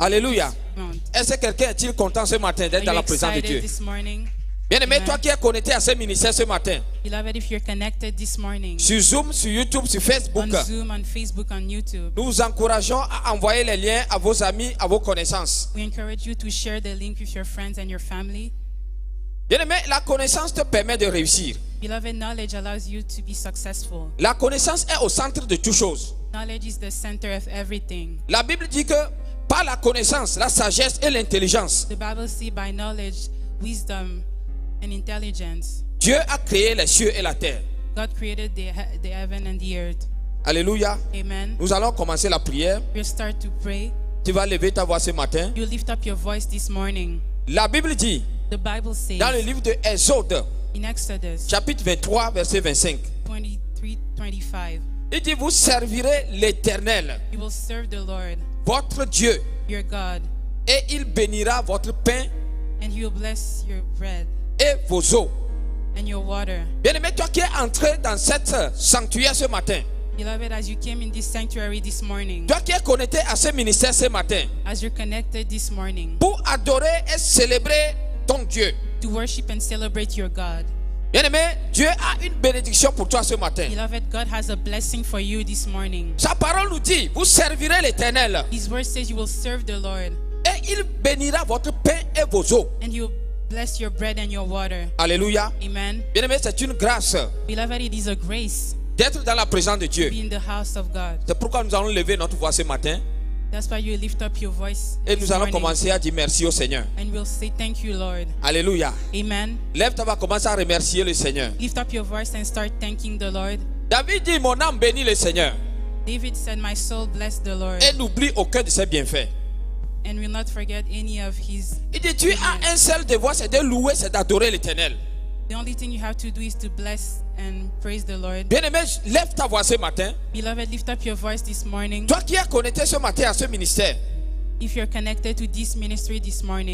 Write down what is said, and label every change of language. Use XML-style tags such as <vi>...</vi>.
<fr>Alléluia. Est-ce que quelqu'un est-il content ce matin d'être dans la présence de Dieu? Bien-aimé, toi qui es connecté à ce ministère ce matin.</fr> <en>Beloved, if you're connected this morning,</en> <fr>sur Zoom, sur YouTube, sur Facebook.</fr> <en>On Zoom, on Facebook, on YouTube.</en> <fr>Nous vous encourageons à envoyer les liens à vos amis, à vos connaissances.</fr> <en>We encourage you to share the link with your friends and your family.</en> <fr>Bien-aimé, la connaissance te permet de réussir.</fr> <en>Beloved, knowledge allows you to be successful.</en> <fr>La connaissance est au centre de toutes choses.</fr> <en>Knowledge is the center of everything.</en> <fr>La Bible dit que par la connaissance, la sagesse et l'intelligence.</fr> <en>The Bible says by knowledge, wisdom and intelligence.</en> <fr>Dieu a créé les cieux et la terre.</fr> <en>God created the heaven and the earth.</en> <fr>Alléluia. Amen. Nous allons commencer la prière.</fr> <en>We'll start to pray.</en> <fr>Tu vas lever ta voix ce matin.</fr> <en>You lift up your voice this morning.</en> <fr>La Bible dit.</fr> <en>The Bible says.</en> <fr>Dans le livre de Exode.</fr> <en>In Exodus.</en> <fr>Chapitre 23, verset 25.</fr> <en>23:25.</en> <fr>Il dit, vous servirez l'Éternel,</fr> <en>you will serve the Lord,</en> <fr>votre Dieu,</fr> <en>your God,</en> <fr>et il bénira votre pain</fr> <en>and he will bless your bread,</en> <fr>et vos eaux.</fr> <en>And your water.</en> <fr>Bien-aimé, toi qui es entré dans cette sanctuaire ce matin,</fr> <en>beloved, as you came in this sanctuary this morning,</en> <fr>toi qui es connecté à ce ministère ce matin,</fr> <en>as you're connected this morning,</en> <fr>pour adorer et célébrer ton Dieu,</fr> <en>to worship and celebrate your God.</en> <fr>Bien-aimé, Dieu a une bénédiction pour toi ce matin.</fr> <en>Beloved, God has a blessing for you this morning.</en> <fr>Sa parole nous dit, vous servirez l'Éternel.</fr> <en>His word says you will serve the Lord.</en> <fr>Et il bénira votre pain et vos eaux.</fr> <en>And he will bless your bread and your water.</en> <fr>Alléluia. Amen. Bien-aimé, c'est une grâce.</fr> <en>Beloved, it is a grace.</en> <fr>D'être dans la présence de Dieu.</fr> <en>To be in the house of God.</en> <fr>C'est pourquoi nous allons lever notre voix ce matin.</fr> <en>That's why you lift up your voice.</en> <fr>Et nous allons commencer à dire merci au Seigneur.</fr> <en>And we'll say thank you, Lord.</en> <fr>Alléluia. Amen. Lève-toi, va commencer à remercier le Seigneur.</fr> <en>Lift up your voice and start thanking the Lord.</en> <fr>David dit, mon âme bénit le Seigneur.</fr> <en>David said, my soul bless the Lord.</en> <fr>Et n'oublie aucun de ses bienfaits.</fr> <en>And will not forget any of his.</en> <fr>Il dit, tu as un seul devoir, c'est de louer, c'est d'adorer l'Éternel.</fr> <en>The only thing you have to do is to bless and praise the Lord.</en> <fr>Bien-aimé, lève ta voix ce matin.</fr> <en>Beloved, lift up your voice this morning.</en> <fr>Toi qui es connecté ce matin à ce ministère.</fr> <en>If you're connected to this ministry this morning.</en>